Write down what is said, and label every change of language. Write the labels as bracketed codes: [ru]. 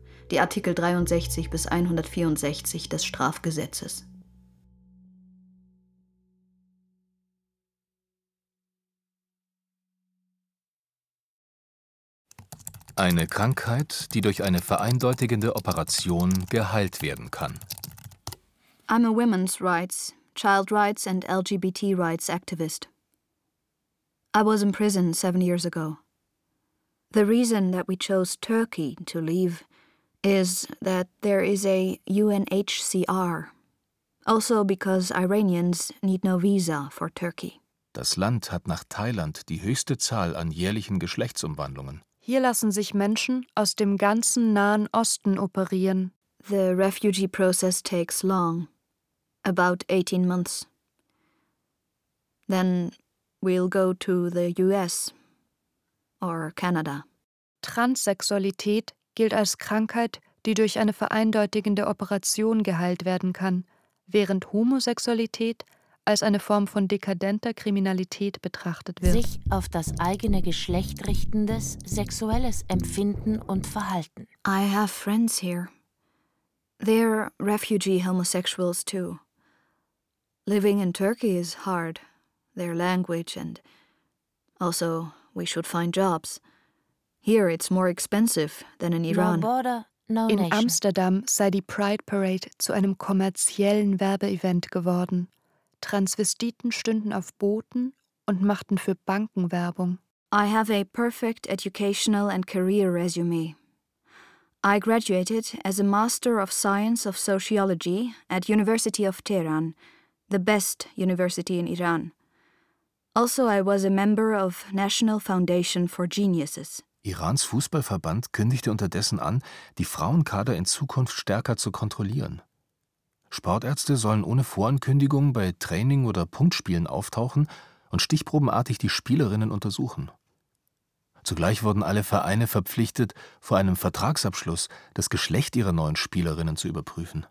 [de] Die Artikel 63 bis 164 des Strafgesetzes. Eine Krankheit, die durch eine vereindeutigende Operation geheilt werden kann. [en] I'm a women's rights, child rights and LGBT rights activist. I was in prison 7 years ago. The reason that we chose Turkey to leave is that there is a UNHCR. Also because Iranians need no visa for Turkey. [de] Das Land hat nach Thailand die höchste Zahl an jährlichen Geschlechtsumwandlungen. Hier lassen sich Menschen aus dem ganzen Nahen Osten operieren. [en] The refugee process takes long, about 18 months. Then we'll go to the US or Canada. [de] Transsexualität gilt als Krankheit, die durch eine vereindeutigende Operation geheilt werden kann, während Homosexualität als eine Form von dekadenter Kriminalität betrachtet wird. Sich auf das eigene Geschlecht richtendes sexuelles Empfinden und Verhalten. [en] I have friends here. They're refugee homosexuals too. Living in Turkey is hard. Their language and also we should find jobs. Here it's more expensive than in Iran. No border, no in nation. [de] Amsterdam sei die Pride Parade zu einem kommerziellen Werbeevent geworden. Transvestiten stünden auf Booten und machten für Banken Werbung. [en] I have a perfect educational and career resume. I graduated as a Master of Science of Sociology at University of Tehran, the best university in Iran. Also I was a member of National Foundation for Geniuses. [de] Irans Fußballverband kündigte unterdessen an, die Frauenkader in Zukunft stärker zu kontrollieren. Sportärzte sollen ohne Vorankündigung bei Training oder Punktspielen auftauchen und stichprobenartig die Spielerinnen untersuchen. Zugleich wurden alle Vereine verpflichtet, vor einem Vertragsabschluss das Geschlecht ihrer neuen Spielerinnen zu überprüfen.